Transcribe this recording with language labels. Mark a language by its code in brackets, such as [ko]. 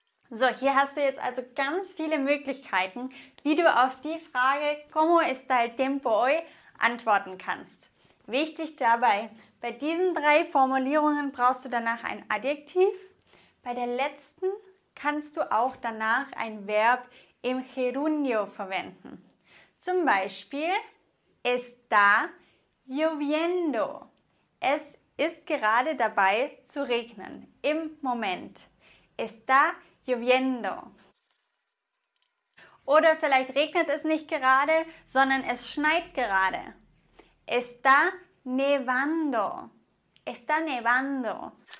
[de] So, hier hast du jetzt also ganz viele Möglichkeiten, wie du auf die Frage [es] ¿Cómo está el tiempo hoy? [de] Antworten kannst. Wichtig dabei, bei diesen drei Formulierungen brauchst du danach ein Adjektiv. Bei der letzten kannst du auch danach ein Verb im Gerundio verwenden. Zum Beispiel [es] está lloviendo. [de] Es ist gerade dabei zu regnen. Im Moment. [es] Está lloviendo. [de] Oder vielleicht regnet es nicht gerade, sondern es schneit gerade. [es] Está nevando. Está nevando.